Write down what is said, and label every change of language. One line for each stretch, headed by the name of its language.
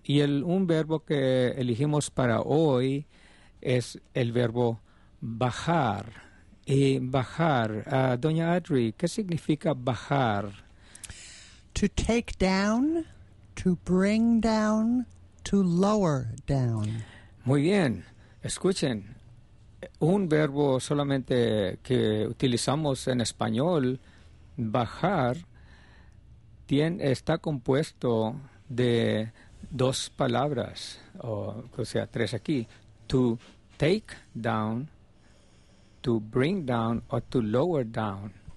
Spanish: Y un verbo que elegimos para hoy es el verbo bajar. Y bajar, Doña Audrey, ¿qué significa bajar?
English: To take down, to bring down, to lower down.
Spanish: Muy bien, escuchen, un verbo solamente que utilizamos en español, bajar, está compuesto de dos palabras, o sea, tres aquí, to take down, to bring down o to lower down.